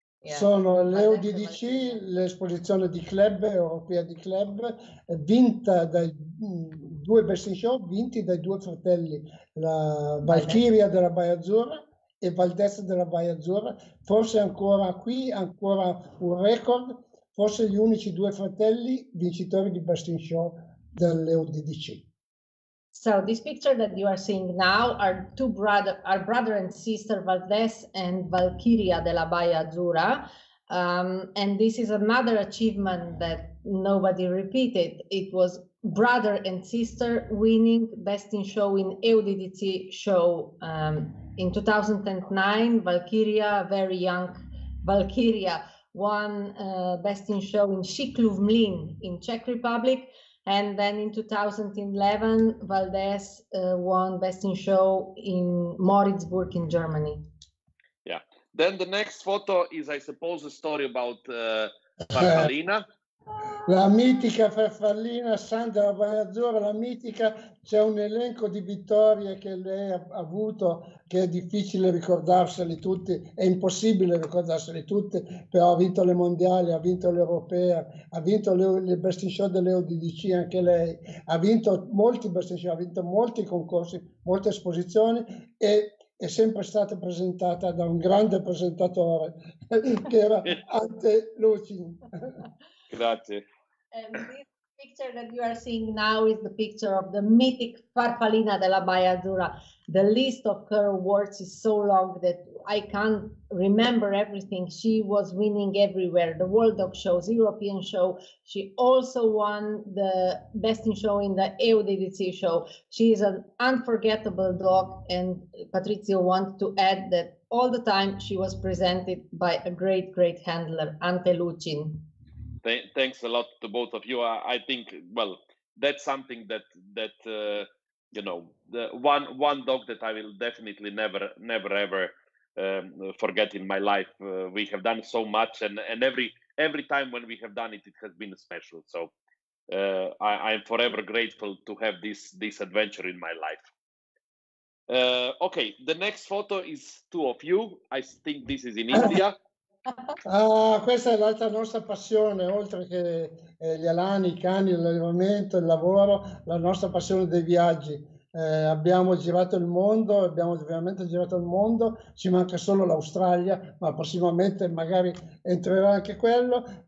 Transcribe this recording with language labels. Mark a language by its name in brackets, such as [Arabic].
[English] Yeah. [Italian] Sono le UDDC, l'esposizione di club, europea di club, vinta dai due best in show, vinti dai due fratelli, la Valchiria della Valle Azzurra e Valdez della Valle Azzurra. Forse ancora qui, ancora un record, forse gli unici due fratelli vincitori di best in show delle UDDC. [English] So this picture that you are seeing now are brother and sister Valdez and Valkyria della Valle Azzurra. And this is another achievement that nobody repeated. It was brother and sister winning best in show in EUDDC show in 2009. Valkyria, very young Valkyria, won best in show in Šiklův Mlin in Czech Republic. And then in 2011, Valdez won Best in Show in Moritzburg in Germany. Yeah. Then the next photo is, I suppose, a story about Farfallina. [Italian] La mitica Farfallina, Sandra Valazzurra, la mitica. C'è un elenco di vittorie che lei ha avuto, che è difficile ricordarseli tutti, è impossibile ricordarseli tutti, però ha vinto le mondiali, ha vinto l'Europea, ha vinto le best in show delle UDDC, anche lei, ha vinto molti best in show, ha vinto molti concorsi, molte esposizioni, e è sempre stata presentata da un grande presentatore, che era Ante Lucin. Grazie. [English] The picture that you are seeing now is the picture of the mythic Farfallina della Valle Azzurra. The list of her awards is so long that I can't remember everything. She was winning everywhere, the World Dog Shows, European Show. She also won the Best in Show in the EUDDC show. She is an unforgettable dog, and Patrizio wants to add that all the time she was presented by a great, great handler, Ante Lucin. Thanks a lot to both of you. I think, well, that's something that you know, the one dog that I will definitely never ever forget in my life. We have done so much, and every time when we have done it, it has been special. So I am forever grateful to have this adventure in my life. Okay, the next photo is two of you. I think this is in India. [Italian] Questa è l'altra nostra passione, oltre che gli alani, i cani, l'allevamento, il lavoro, la nostra passione dei viaggi. Abbiamo girato il mondo, abbiamo veramente girato il mondo, ci manca solo l'Australia, ma prossimamente magari entrerà anche quello.